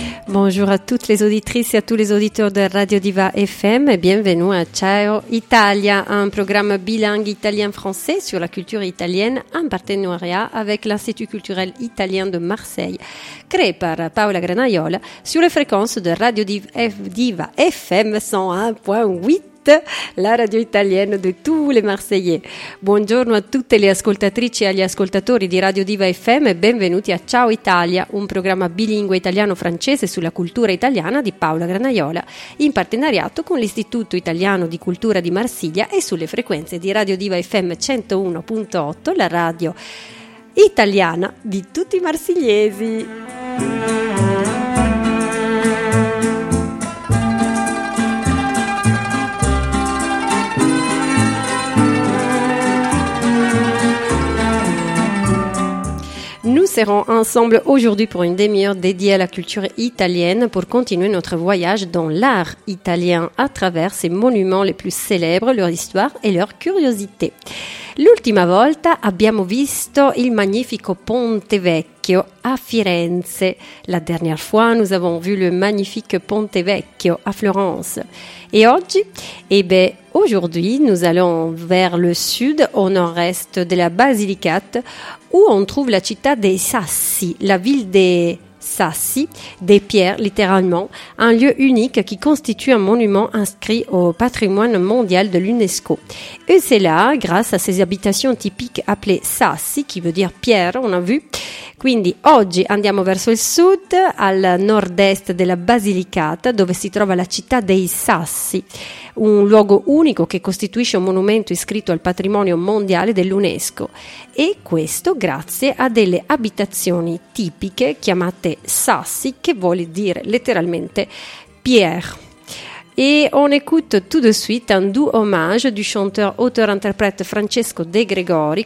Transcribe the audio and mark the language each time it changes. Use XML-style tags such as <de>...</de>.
<fr>Bonjour à toutes les auditrices et à tous les auditeurs de Radio Diva FM et bienvenue à Ciao Italia, un programme bilingue italien-français sur la culture italienne en partenariat avec l'Institut culturel italien de Marseille, créé par Paola Granaiola sur les fréquences de Radio Diva FM 101.8. La radio italienne</fr> <it>di tutti i</it> <fr>marseillais.</fr> <it>Buongiorno a tutte le ascoltatrici e agli ascoltatori di Radio Diva FM e benvenuti a Ciao Italia, un programma bilingue italiano-francese sulla cultura italiana di Paola Granaiola, in partenariato con l'Istituto Italiano di Cultura di Marsiglia e sulle frequenze di Radio Diva FM 101.8, la radio italiana di tutti i marsigliesi.</it> <fr>Nous serons ensemble aujourd'hui pour une demi-heure dédiée à la culture italienne pour continuer notre voyage dans l'art italien à travers ses monuments les plus célèbres, leur histoire et leur curiosité.</fr> <it>L'ultima volta abbiamo visto il magnifico Ponte Vecchio a Firenze.</it> <fr>La dernière fois, nous avons vu le magnifique Ponte Vecchio à Florence. Et oggi? Eh bien, aujourd'hui, nous allons vers le sud, au nord-est de la Basilicate, où on trouve la città dei Sassi, la ville des Sassi, des pierres littéralement, un lieu unique qui constitue un monument inscrit au patrimoine mondial de l'UNESCO. Et c'est là, grâce à ces habitations typiques appelées Sassi, qui veut dire pierre, on a vu.</fr> <it>Quindi oggi andiamo verso il sud, al nord-est della Basilicata, dove si trova la città dei Sassi, un luogo unico che costituisce un monumento iscritto al patrimonio mondiale dell'UNESCO. E questo grazie a delle abitazioni tipiche chiamate Sassi, che vuol dire letteralmente pierre.</it> <fr>Et on écoute tout de suite un doux hommage du chanteur, auteur, interprète Francesco De Gregori.</fr>